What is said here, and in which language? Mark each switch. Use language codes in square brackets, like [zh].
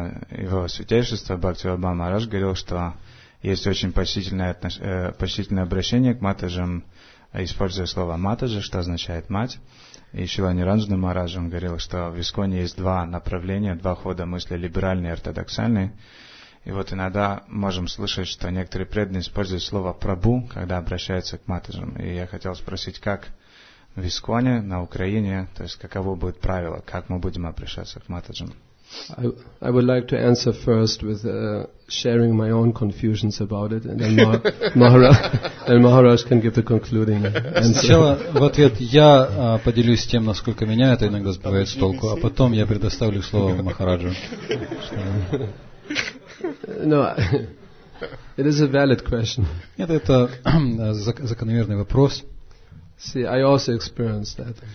[ru] Его святейшество Бхакти Вардхана Махарадж говорил, что есть очень почтительное обращение к матаджам, используя слово матаджа, что означает мать. И Шрила Ниранджана Махарадж говорил, что в ИСККОНе есть два направления, два хода мысли, либеральный и ортодоксальный. И вот иногда можем слышать, что некоторые преданные используют слово прабу, когда обращаются к матаджам. И я хотел спросить, как в ИСККОНе, на Украине, то есть каково будет правило, как мы будем обращаться к матаджам? [en] I would like to answer first with sharing my own confusions about it, and then Maharaj can give the concluding answer. [ru] Сначала в ответ я поделюсь тем, насколько меня это иногда сбивает с толку, а потом я предоставлю слово Махараджу. [en] No, it is a valid question. [ru] Нет, это закономерный вопрос. [en] See, I also experienced that.